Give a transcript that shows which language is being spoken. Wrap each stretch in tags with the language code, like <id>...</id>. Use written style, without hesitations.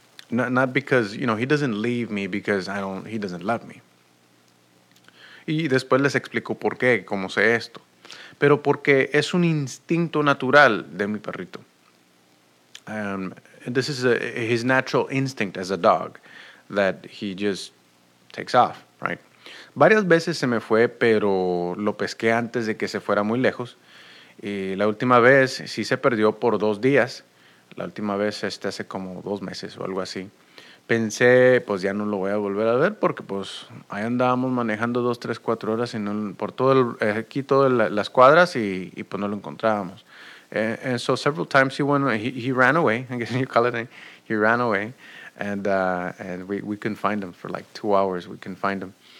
<en>Not because, you know, he doesn't leave me because he doesn't love me.</en> <es>Y después les explico por qué, cómo sé esto. Pero porque es un instinto natural de mi perrito.</es> <en>This is his natural instinct as a dog that he just takes off, right?</en> <es>Varias veces se me fue, pero lo pesqué antes de que se fuera muy lejos. Y la última vez sí se perdió por 2 días. La última vez hace como 2 meses o algo así. Pensé, pues ya no lo voy a volver a ver, porque pues ahí andábamos manejando 2, 3, 4 horas por todo aquí todas las cuadras y pues no lo encontrábamos.</es> <en>And so several times he ran away, I guess you call it, he ran away, and we couldn't find him for like 2 hours, we couldn't find him.</en>